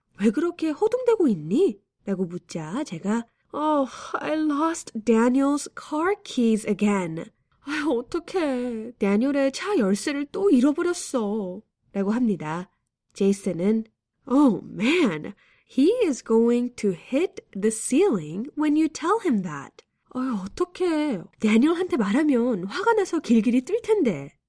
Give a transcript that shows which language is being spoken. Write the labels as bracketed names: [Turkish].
[Korean] 왜 그렇게 호동되고 있니? 라고 묻자 제가 [English] Oh, I lost Daniel's car keys again. [Korean] 아, 어떡해. 다니엘의 차 열쇠를 또 잃어버렸어. 라고 합니다. 제이슨은 [English] Oh, man. He is going to hit the ceiling when you tell him that. [Korean] 아, 어떡해. 다니엘한테 말하면 화가 나서 길길이 뜰 텐데.